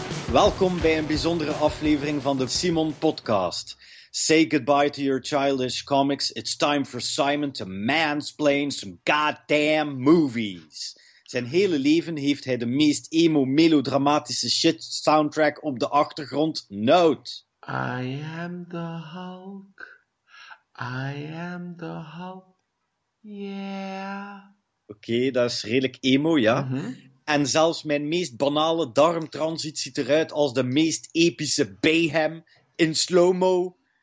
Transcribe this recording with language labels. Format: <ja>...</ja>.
<nl>Welkom bij een bijzondere aflevering van de Simon Podcast.</nl> <en>Say goodbye to your childish comics. It's time for Simon to mansplain some goddamn movies.</en> <nl>Zijn hele leven heeft hij de meest emo-melodramatische shit soundtrack op de achtergrond.</nl> <en>Note. I am the Hulk. I am the Hulk. Yeah.</en> <nl>Oké, dat is redelijk emo, ja. En zelfs mijn meest banale darmtransit ziet eruit als de meest epische Bayhem in slow-mo.</nl>